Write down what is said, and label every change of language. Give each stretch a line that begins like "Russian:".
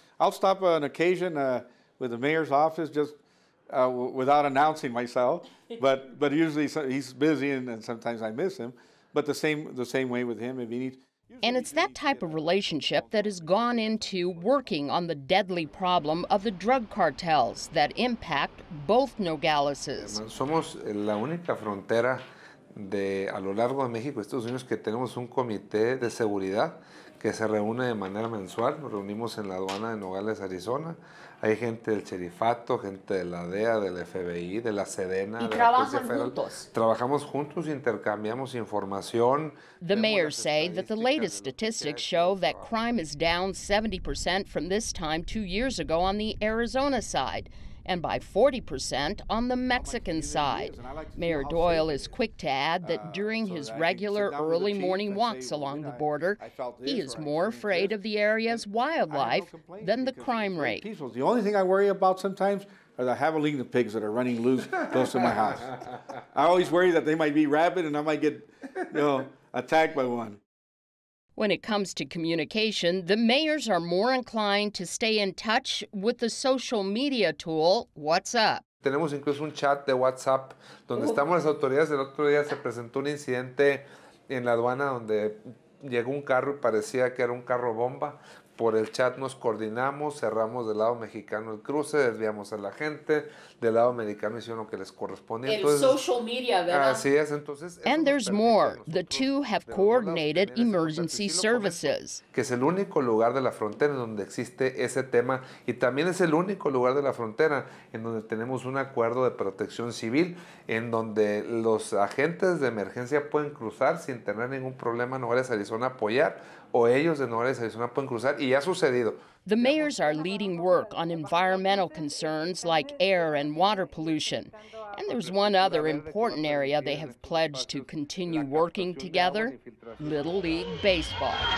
English: I'll stop an occasion with the mayor's office just without announcing myself. But usually he's busy and sometimes I miss him. But the same way with him, if he needs... And it's that type of relationship that has gone into working on the deadly problem of the drug cartels that impact both Nogaleses.
Spanish: Somos la única frontera de a lo largo de México y Estados Unidos que tenemos un comité de seguridad que se reúne de manera mensual. Nos reunimos en la aduana de Nogales, Arizona. Hay gente del Cherifato, gente de la DEA, del FBI, de la SEDENA. Y trabajan juntos. Trabajamos juntos, intercambiamos información.
English: The mayor say that the latest statistics show that crime is down 70% from this time 2 years ago on the Arizona side, and by 40% on the Mexican side. Mayor Doyle is quick to add that during his regular early morning walks along the border, he is more afraid of the area's wildlife than the crime rate. The only thing I worry about sometimes are the javelina pigs that are running loose close to my house. I always worry that they might be rabid and I might get, you know, attacked by one. When it comes to communication, the mayors are more inclined to stay in touch with the social media tool WhatsApp.
Spanish: Tenemos incluso un chat de WhatsApp donde estamos las autoridades. El otro día se presentó un incidente en la aduana donde llegó un carro y parecía que era un carro bomba. Por el chat nos coordinamos, cerramos del lado mexicano el cruce, desviamos a la gente, del lado americano hicieron lo que les correspondía. El social media, ¿verdad? Así es, entonces...
English: And there's more. The two have coordinated emergency services.
Spanish: Que es el único lugar de la frontera en donde existe ese tema y también es el único lugar de la frontera en donde tenemos un acuerdo de protección civil en donde los agentes de emergencia pueden cruzar sin tener ningún problema en Nogales, Arizona, apoyar o ellos de Nogales, Arizona pueden cruzar y ya ha sucedido.
English: The mayors are leading work on environmental concerns like air and water pollution. And there's one other important area they have pledged to continue working together, Little League Baseball.